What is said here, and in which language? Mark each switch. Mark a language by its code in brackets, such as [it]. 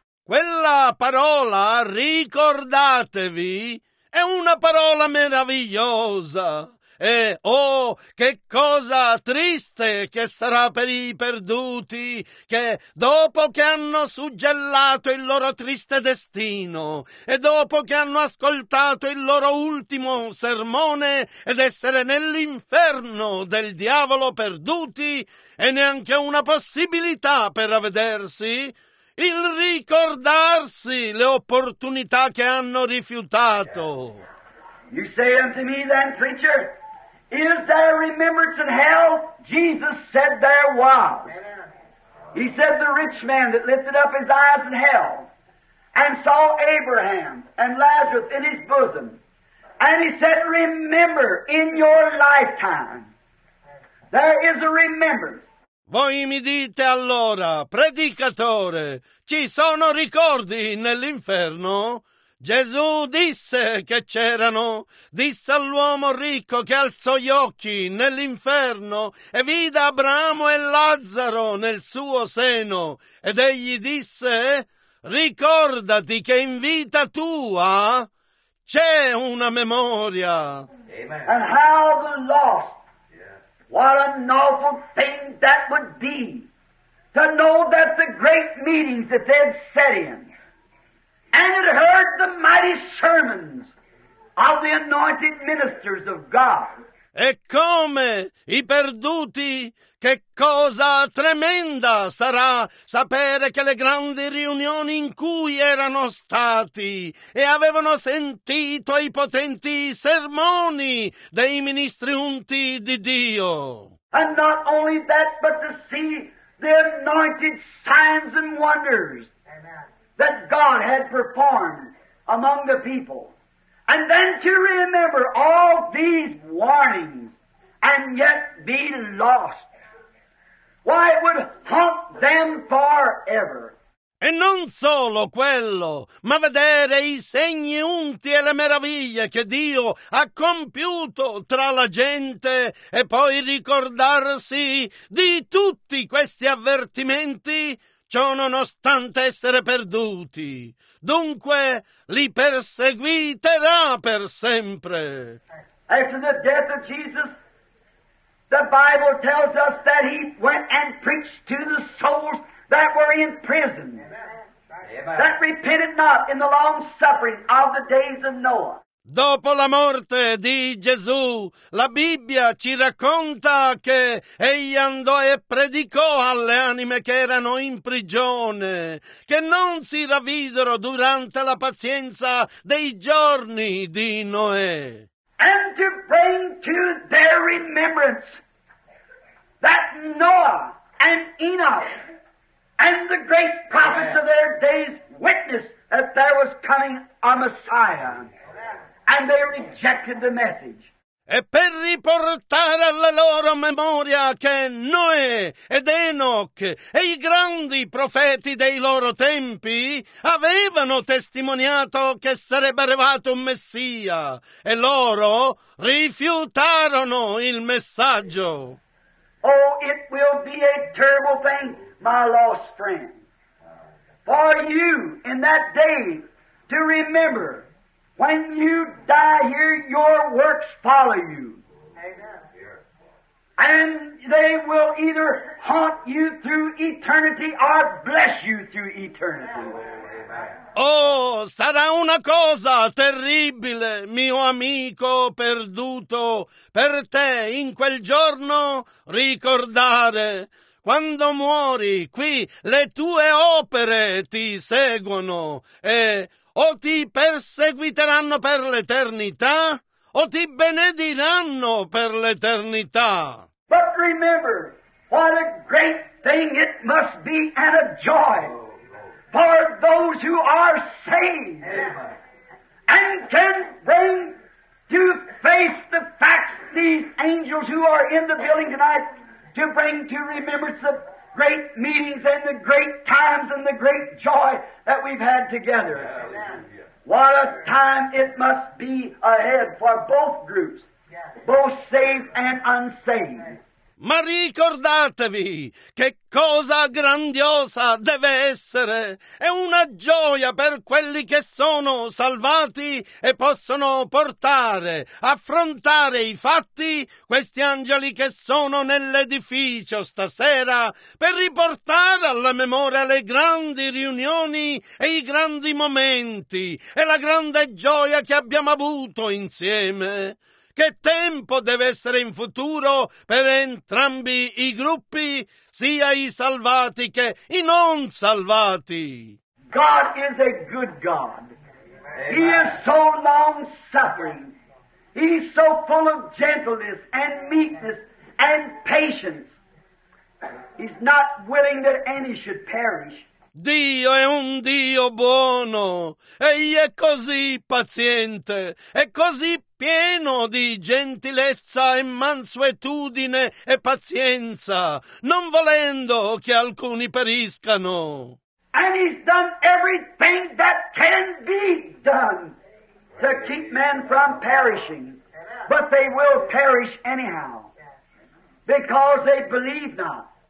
[it] Quella parola, ricordatevi, è una parola meravigliosa. E, oh, che cosa triste che sarà per i perduti che, dopo che hanno suggellato il loro triste destino e dopo che hanno ascoltato il loro ultimo sermone ed essere nell'inferno del diavolo perduti e neanche una possibilità per ravvedersi, il ricordarsi le opportunità che hanno rifiutato. [en] You say unto me then, preacher, is there remembrance in hell? Jesus said there was. He said the rich man that lifted up his eyes in hell and saw Abraham and Lazarus in his bosom. And he said, remember in your lifetime. There is a remembrance. [it] Voi mi dite allora, predicatore, ci sono ricordi nell'inferno? Gesù disse che c'erano, disse all'uomo ricco che alzò gli occhi nell'inferno e vide Abramo e Lazzaro nel suo seno, ed egli disse, ricordati che in vita tua c'è una memoria. Amen. [en] And how the lost, what a novel thing that would be, to know that the great meetings that they'd set in, and had heard the mighty sermons of the anointed ministers of God. [it] E come i perduti, che cosa tremenda sarà sapere che le grandi riunioni in cui erano stati e avevano sentito i potenti sermoni dei ministri unti di Dio. [en] And not only that, but to see the anointed signs and wonders that God had performed among the people. And then to remember all these warnings and yet be lost. Why, it would haunt them forever. [it] E non solo quello, ma vedere i segni unti e le meraviglie che Dio ha compiuto tra la gente e poi ricordarsi di tutti questi avvertimenti, ciò nonostante essere perduti. Dunque, li perseguiterà per sempre. [en] After the death of Jesus, the Bible tells us that he went and preached to the souls that were in prison. Amen. That repented not in the long suffering of the days of Noah. [it] Dopo la morte di Gesù, la Bibbia ci racconta che egli andò e predicò alle anime che erano in prigione, che non si ravvidero durante la pazienza dei giorni di Noè. [en] And to bring to their remembrance that Noah and Enoch and the great prophets of their days witnessed that there was coming a Messiah. And they rejected the message. [it] e per riportare alla loro memoria che Noè ed Enoch e i grandi profeti dei loro tempi avevano testimoniato che sarebbe arrivato un Messia, e loro rifiutarono il messaggio. [en] Oh, it will be a terrible thing, my lost friend, for you in that day to remember. When you die here, your works follow you. Amen. And they will either haunt you through eternity or bless you through eternity. [it] Oh, sarà una cosa terribile, mio amico perduto, per te in quel giorno ricordare. Quando muori qui, le tue opere ti seguono e... o ti perseguiteranno per l'eternità, o ti benediranno per l'eternità. [en] But remember, what a great thing it must be, and a joy for those who are saved. Amen. And can bring to face the facts, these angels who are in the building tonight, to bring to remembrance the great meetings and the great times and the great joy that we've had together. Amen. What a time it must be ahead for both groups, both saved and unsaved. [it] Ma ricordatevi che cosa grandiosa deve essere. È una gioia per quelli che sono salvati e possono portare, affrontare i fatti, questi angeli che sono nell'edificio stasera, per riportare alla memoria le grandi riunioni e i grandi momenti e la grande gioia che abbiamo avuto insieme. Che tempo deve essere in futuro per entrambi i gruppi, sia i salvati che i non salvati. [en] God is a good God. Amen. He is so long-suffering. He is so full of gentleness and meekness and patience. He's not willing that any should perish. [it] Dio è un Dio buono, egli è così paziente, è così pieno di gentilezza e mansuetudine e pazienza, non volendo che alcuni periscano. [en] And he's done everything that can be done to keep men from perishing, but they will perish anyhow, because they believe not.